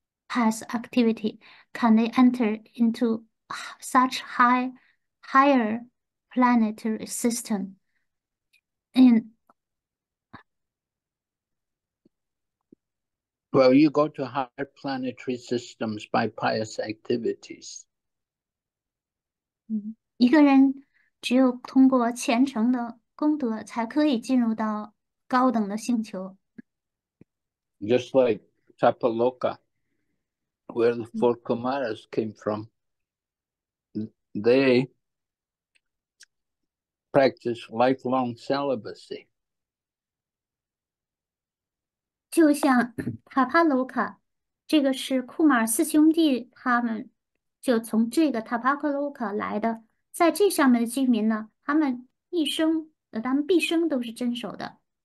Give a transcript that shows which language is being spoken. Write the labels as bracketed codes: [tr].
[en] past activity can they enter into such higher planetary system? Well, you go to higher planetary systems by pious activities. [zh] 一个人只有通过虔诚的功德，才可以进入到高等的星球。 [en] Just like Tapaloka, where the four Kumaras came from, they practice lifelong celibacy. [zh] 就像塔帕卢卡，这个是库马尔四兄弟他们就从这个塔帕克卢卡来的，在这上面的居民呢，他们毕生都是遵守的。